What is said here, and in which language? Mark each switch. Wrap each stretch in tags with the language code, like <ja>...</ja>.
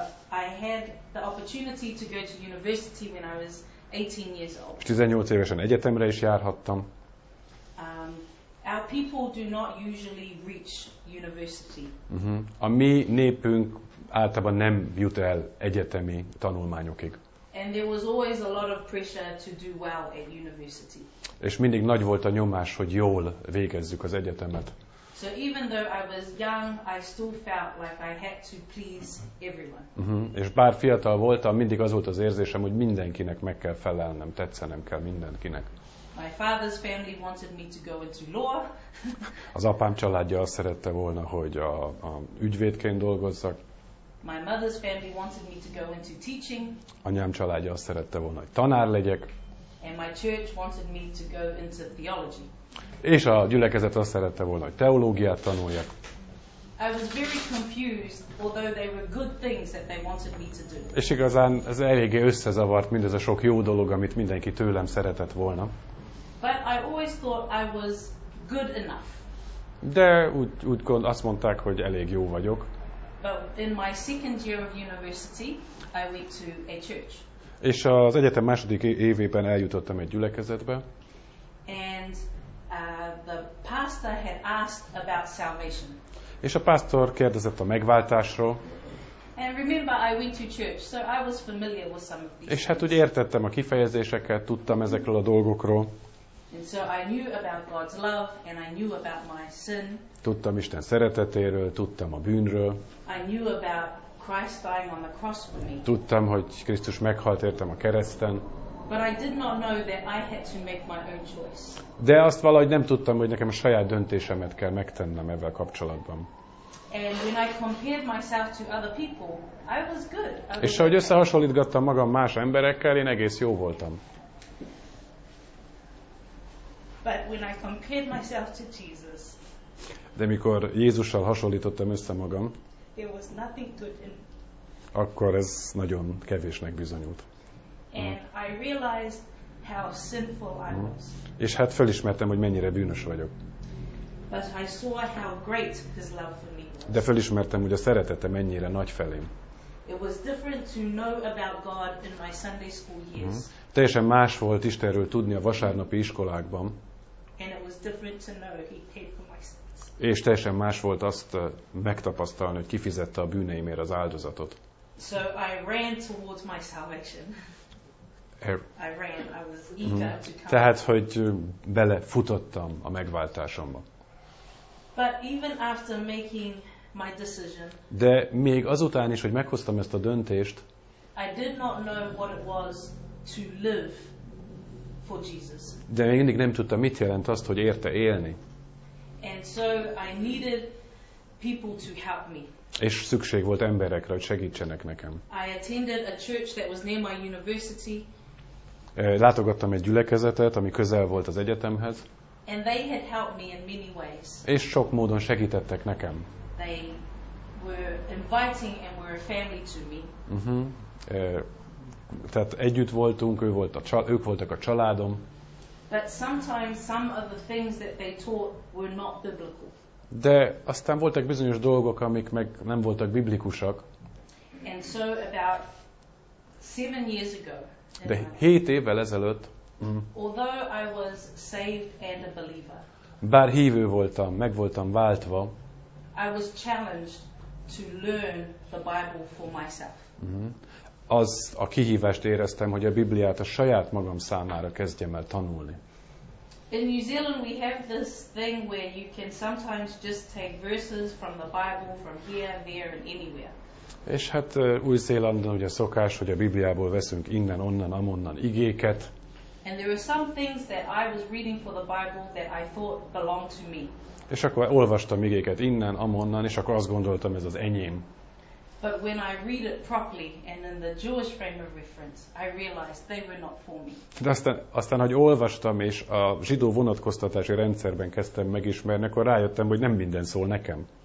<en>I had the opportunity to go to university when I was 18 years old.</en> <hu>És 18 évesen egyetemre is járhattam.</hu> <en>Our people do not usually reach university.</en> <hu>A mi népünk általában nem jut el egyetemi tanulmányokig.</hu> <en>And there was always a lot of pressure to do well at university.</en> <hu>És mindig nagy volt a nyomás, hogy jól végezzük az egyetemet.</hu> <en>So even though I was young, I still felt like I had to please everyone.</en> <hu>És bár fiatal voltam, mindig az volt az érzésem, hogy mindenkinek meg kell felelnem, tetszenem kell mindenkinek.</hu> <en>My father's family wanted me to go into law.</en> <hu>Az apám családja azt szerette volna, hogy a ügyvédként dolgozzak.</hu> <en>My mother's family wanted me to go into teaching.</en> <hu>Anyám családja azt szerette volna, hogy tanár legyek.</hu> <en>And my church wanted me to go into theology.</en> <hu>És a gyülekezet azt szerette volna, hogy teológiát tanuljak.</hu> <en>I was very confused, although they were good things that they wanted me to do.</en> <hu>És igazán ez eléggé összezavart mindez a sok jó dolog, amit mindenki tőlem szeretett volna.</hu> <en>But I always thought I was good enough.</en> <hu>De úgy gond, azt mondták, hogy elég jó vagyok.</hu> <en>But in my second year of university, I went to a church.</en> <hu>És az egyetem második évében eljutottam egy gyülekezetbe.</hu> <en>And the pastor had asked about salvation.</en> <hu>És a pásztor kérdezett a megváltásról.</hu> <en>And remember, I went to church, so I was familiar with some of these.</en> <hu>És hát úgy értettem a kifejezéseket, tudtam ezekről a dolgokról.</hu> <en>And so I knew about God's love and I knew about my sin.</en> <hu>Tudtam Isten szeretetéről, tudtam a bűnről.</hu> <en>I knew about Christ dying on the cross for me.</en> <hu>Tudtam, hogy Krisztus meghalt értem a kereszten.</hu> <en>But I did not know that I had to make my own choice.</en> <hu>De azt valahogy nem tudtam, hogy nekem a saját döntésemet kell megtennem ezzel kapcsolatban.</hu> <en>And when I compared myself to other people, I was good.</en> <hu>És ahogy összehasonlítgattam magam más emberekkel, én egész jó voltam.</hu> <en>But when I compared myself to Jesus,</en> <hu>de mikor Jézussal hasonlítottam össze magam,</hu> <en>there was nothing good in</en> <hu>akkor ez nagyon kevésnek bizonyult.</hu> <en>And I realized how sinful I was.</en> <hu>És hát felismertem, hogy mennyire bűnös vagyok.</hu> <en>But I saw how great his love for me was.</en> <hu>De felismertem, hogy a szeretete mennyire nagy felém.</hu> <en>It was different to know about God in my Sunday school years.</en> <hu>Teljesen más volt Istenről tudni a vasárnapi iskolákban.</hu> <en>And it was different to know he paid for my sins.</en> <hu>És teljesen más volt azt megtapasztalni, hogy kifizette a bűneimért az áldozatot.</hu> <en>So I ran towards my salvation. I ran. I was eager to come.</en> <hu>Tehát, hogy belefutottam a megváltásomba.</hu> <en>But even after making my decision,</en> <hu>de még azután is, hogy meghoztam ezt a döntést,</hu> <en>I did not know what it was to live for Jesus.</en> <hu>De még mindig nem tudtam, mit jelent azt, hogy érte élni.</hu> <en>And so I needed people to help me.</en> <hu>És szükség volt emberekre, hogy segítsenek nekem.</hu> <en>I attended a church that was near my university.</en> <hu>Látogattam egy gyülekezetet, ami közel volt az egyetemhez.</hu> <en>And they had helped me in many ways.</en> <hu>És sok módon segítettek nekem.</hu> <en>They were inviting and were a family to me.</en> <hu>Tehát együtt voltunk, ők voltak a családom.</hu> <en>But sometimes some of the things that they taught were not biblical.</en> <hu>De aztán voltak bizonyos dolgok, amik meg nem voltak biblikusak.</hu> <en>And so about 7 years ago.</en> <hu>De 7 évvel ezelőtt.</hu> <en>Although I was saved and a believer.</en> <hu>Bár hívő voltam, meg voltam váltva.</hu> <en>I was challenged to learn the Bible for myself.</en> <hu>Az a kihívást éreztem, hogy a Bibliát a saját magam számára kezdjem el tanulni.</hu> <en>In New Zealand we have this thing where you can sometimes just take verses from the Bible from here, there and anywhere.</en> <hu>És hát Új-Zélandon ugye szokás, hogy a Bibliából veszünk innen, onnan, amonnan igéket.</hu> <en>And there were some things that I was reading for the Bible that I thought belonged to me.</en> <hu>És akkor olvastam igéket innen, amonnan, és akkor azt gondoltam, ez az enyém.</hu> <en>But when I read it properly and in the Jewish frame of reference, I realized they were not for me.</en> <hu>De aztán, hogy olvastam és a zsidó vonatkoztatási rendszerben kezdtem megismerni, akkor rájöttem, hogy nem minden szól nekem.</hu>